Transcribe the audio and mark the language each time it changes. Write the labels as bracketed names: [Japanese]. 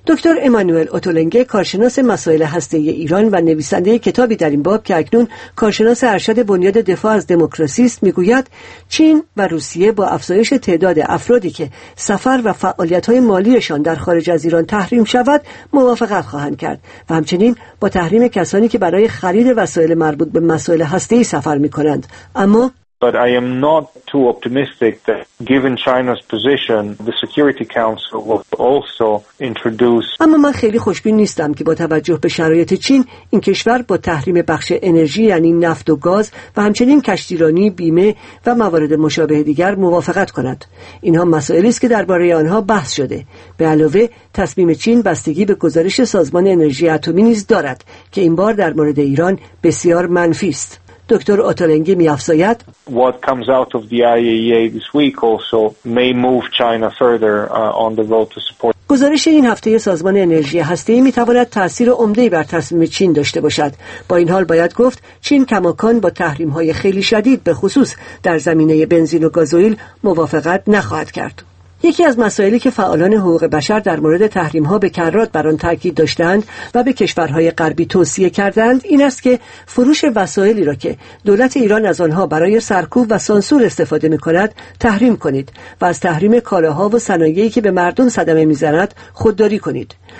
[Persian] دکتر امانوئل اوتولنگه، کارشناس مسائل هسته‌ای ایران و نویسنده کتابی در این باب که اکنون کارشناس ارشد بنیاد دفاع از دموکراسی است، میگوید چین و روسیه با افزایش تعداد افرادی که سفر و فعالیت‌های مالیشان در خارج از ایران تحریم شود موافقت خواهند کرد و همچنین با تحریم کسانی که برای خرید وسایل مربوط به مسائل هسته‌ای سفر می‌کنند. اما [English] But I am not too optimistic that given China's position, the Security Council will also introduce. [Persian] اما من خیلی خوشبین نیستم که با توجه به شرایط چین، این کشور با تحریم بخش انرژی یعنی نفت و گاز و همچنین کشتیرانی، بیمه و موارد مشابه دیگر موافقت کند. اینها مسائلی است که درباره آنها بحث شده. به علاوه تصمیم چین بستگی به گزارش سازمان انرژی اتمی نیز دارد که این بار در مورد ایران بسیار منفی است. دکتر اوتولنگی می‌افزاید: [English] What comes out of the IAEA this week also may move China further on the road to support. [Persian] گزارش این هفته سازمان انرژی هسته‌ای می‌تواند تأثیر عمده‌ای بر تصمیم چین داشته باشد. با این حال باید گفت چین کماکان با تحریم‌های خیلی شدید به خصوص در زمینه بنزین و گازوئیل موافقت نخواهد کرد. یکی از مسائلی که فعالان حقوق بشر در مورد تحریم‌ها به کرات بر آن تاکید داشتند و به کشورهای غربی توصیه کردند این است که فروش وسایلی را که دولت ایران از آنها برای سرکوب و سانسور استفاده می‌کند تحریم کنید و از تحریم کالاها و صنایعی که به مردم صدمه می‌زند خودداری کنید.